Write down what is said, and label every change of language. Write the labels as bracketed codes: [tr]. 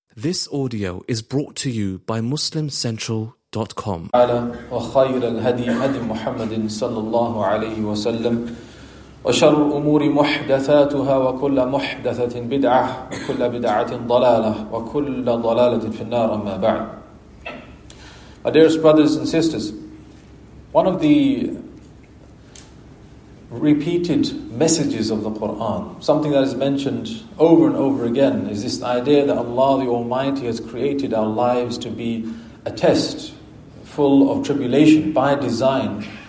[en] This audio is brought to you by MuslimCentral.com. [ar] وخير الهدي هدي محمد صلى الله عليه وسلم وشر الأمور محدثاتها وكل محدثة بدعة وكل بدعة ضلالة وكل ضلالة في النار أما بعد. [en] My dearest brothers and sisters, one of the repeated messages of the Quran, something that is mentioned over and over again, is this idea that Allah the Almighty has created our lives to be a test full of tribulation by design.